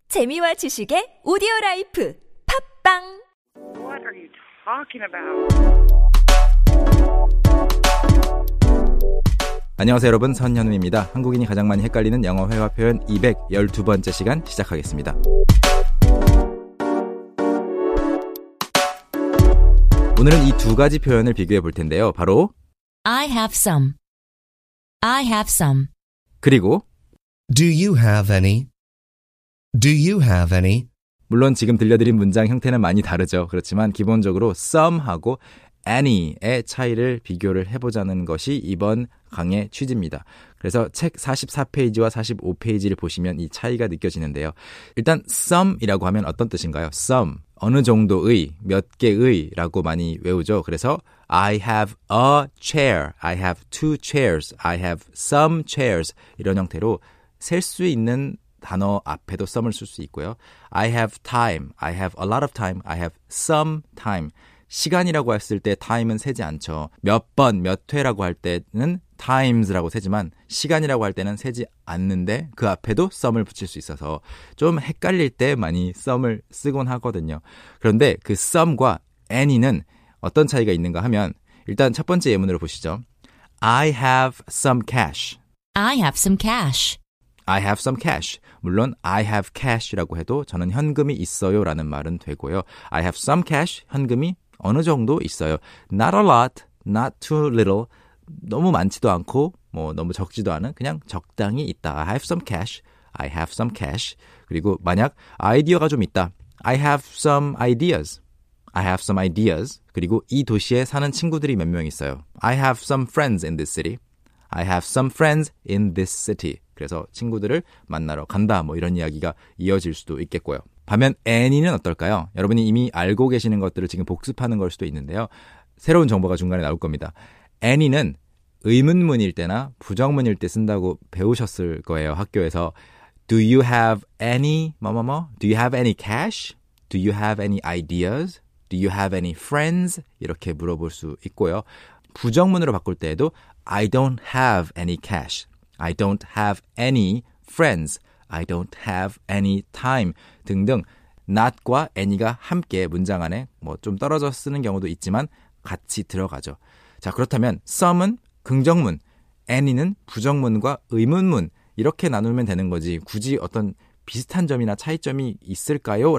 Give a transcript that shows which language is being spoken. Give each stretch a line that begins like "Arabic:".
Korean: 재미와 지식의 오디오 라이프 팝빵.
English: What are you talking about?
Korean: 안녕하세요, 여러분. 선현우입니다. 한국인이 가장 많이 헷갈리는 영어 회화 표현 212번째 시간 시작하겠습니다. 오늘은 이 두 가지 표현을 비교해 볼 텐데요. 바로
English: I have some. I have some.
Korean: 그리고
English: Do you have any? Do you have any?
Korean: 물론 지금 들려드린 문장 형태는 많이 다르죠. 그렇지만 기본적으로 some하고 any의 차이를 비교를 해보자는 것이 이번 강의 취지입니다. 그래서 책 44페이지와 45페이지를 보시면 이 차이가 느껴지는데요. 일단 some이라고 하면 어떤 뜻인가요? some, 어느 정도의, 몇 개의 라고 많이 외우죠. 그래서
English: I have a chair, I have two chairs, I have some chairs
Korean: 이런 형태로 셀 수 있는 단어 앞에도 some을 쓸 수 있고요.
English: I have time, I have a lot of time, I have some time.
Korean: 시간이라고 했을 때 time은 세지 않죠. 몇 번, 몇 회라고 할 때는 times라고 세지만 시간이라고 할 때는 세지 않는데 그 앞에도 some을 붙일 수 있어서 좀 헷갈릴 때 많이 some을 쓰곤 하거든요. 그런데 그 some과 any는 어떤 차이가 있는가 하면 일단 첫 번째 예문으로 보시죠.
English: I have some cash. I have some cash. I have some cash.
Korean: 물론
English: I have cash
Korean: 라고 해도 저는 현금이 있어요 라는 말은 되고요. I have some cash. 현금이 어느 정도 있어요.
English: Not a lot, not too little.
Korean: 너무 많지도 않고 뭐 너무 적지도 않은 그냥 적당히 있다.
English: I have some cash. I have some cash.
Korean: 그리고 만약 아이디어가 좀 있다.
English: I have some ideas. I have some ideas.
Korean: 그리고 이 도시에 사는 친구들이 몇 명 있어요.
English: I have some friends in this city. I have some friends in this city.
Korean: 그래서 친구들을 만나러 간다 뭐 이런 이야기가 이어질 수도 있겠고요. 반면 any는 어떨까요? 여러분이 이미 알고 계시는 것들을 지금 복습하는 걸 수도 있는데요. 새로운 정보가 중간에 나올 겁니다. any는 의문문일 때나 부정문일 때 쓴다고 배우셨을 거예요. 학교에서
English: Do you have any
Korean: 뭐뭐뭐?
English: Do you have any cash? Do you have any ideas? Do you have any friends?
Korean: 이렇게 물어볼 수 있고요. 부정문으로 바꿀 때에도
English: I don't have any cash. I don't have any friends. I don't have any time.
Korean: 등등 not과 any가 함께 문장 안에 뭐 좀 떨어져 쓰는 경우도 있지만 같이 들어가죠. 자, 그렇다면 some은 긍정문, any는 부정문과 의문문 이렇게 나누면 되는 거지 굳이 어떤 비슷한 점이나 차이점이 있을까요?